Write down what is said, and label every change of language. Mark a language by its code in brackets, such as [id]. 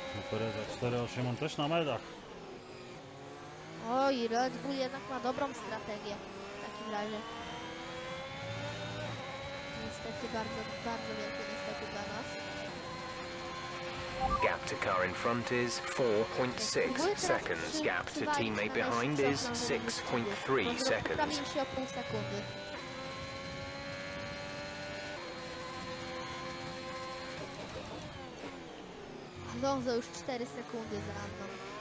[pl] Pereza 4-8, on też na medach. Oj, Red Bull jednak ma dobrą strategię w takim razie. Niestety bardzo, bardzo wielkie niestety dla nas. [en] Gap to car in front is 4.6 seconds. Gap to teammate behind is 6.3 seconds. [pl] Poprawimy się o pół sekundy. Alonso już 4 sekundy za Anną.